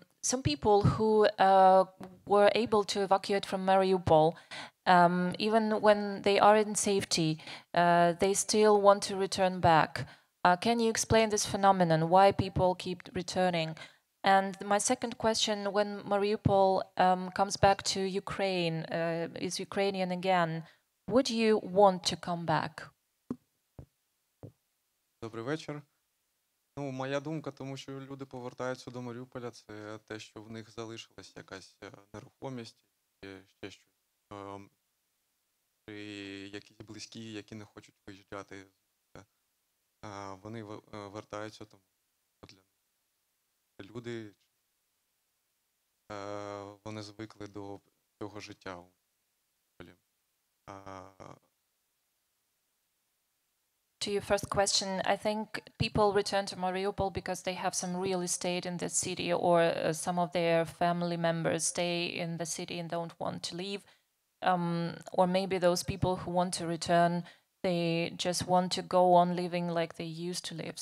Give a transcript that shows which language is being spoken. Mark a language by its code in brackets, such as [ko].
[en] Some people who were able to evacuate from Mariupol, even when they are in safety, they still want to return back. Can you explain this phenomenon, why people keep returning? And my second question, when Mariupol comes back to Ukraine, is Ukrainian again, would you want to come back? [uk] Добрий вечір. Ну, моя думка, тому що люди повертаються до Маріуполя, це те, що в них залишилась якась нерухомість, ще щось. І якісь близькі, які не хочуть виїжджати, вони вертаються, тому що для них люди, вони звикли до цього життя у Маріуполі. [en] To your first question, I think people return to Mariupol because they have some real estate in the city or some of their family members stay in the city and don't want to leave. Or maybe those people who want to return, they just want to go on living like they used to live.